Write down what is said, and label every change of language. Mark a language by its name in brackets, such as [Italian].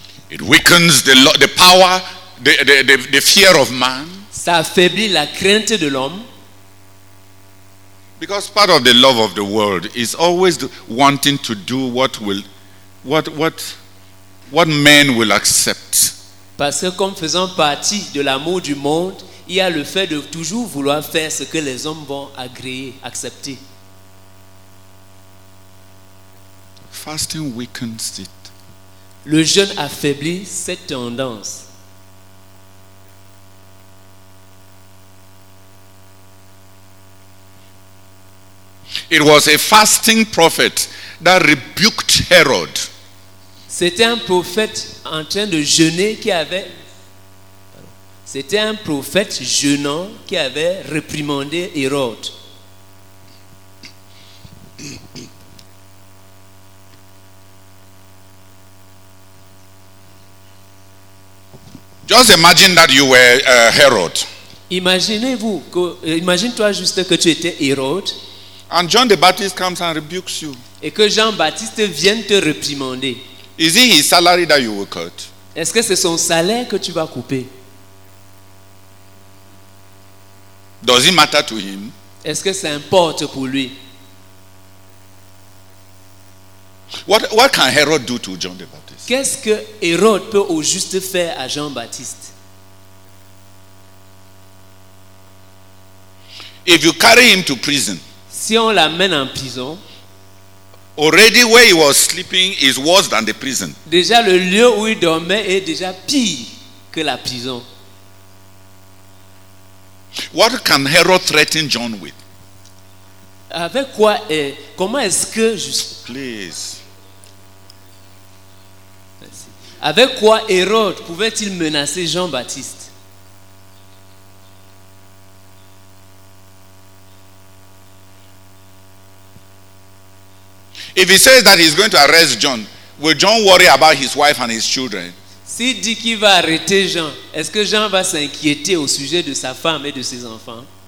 [English] It weakens the power, the fear of man. [French] Ça affaiblit la crainte de l'homme. [English] Because part of the love of the world is always wanting to do what men will accept. [French] Parce que comme faisant partie de l'amour du monde, il y a le fait de toujours vouloir faire ce que les hommes vont agréer, accepter. [English] Fasting weakens it. [French] Le jeûne affaiblit cette tendance. [English] It was a fasting prophet that rebuked Herod. [French] C'était un prophète jeûnant qui avait réprimandé Hérode. [English] Just imagine that you were Herod. [French] Imagine-toi juste que tu étais Hérode. [English] And John the Baptist comes and rebukes you. [French] Et que Jean-Baptiste vienne te réprimander. [English] Is it his salary that you will cut? [French] Est-ce que c'est son salaire que tu vas couper? [English] Does it matter to him? [French] Est-ce que ça importe pour lui? [English] What can Herod do to John the Baptist? [French] Qu'est-ce que Hérode peut au juste faire à Jean-Baptiste? [English] If you carry him to prison, [French] si on l'amène en prison, [English] already where he was sleeping is worse than the prison. [French] Déjà le lieu où il dormait est déjà pire que la prison. [English] What can Herod threaten John with? [French] Avec quoi est, comment est-ce que juste? [English] Please. [French] Avec quoi Hérode pouvait-il menacer Jean-Baptiste? [English] If he says that he's going to arrest John, will John worry about his wife and his children? [French] S'il dit qu'il va arrêter Jean, est-ce que Jean va s'inquiéter au sujet de sa femme et de ses enfants?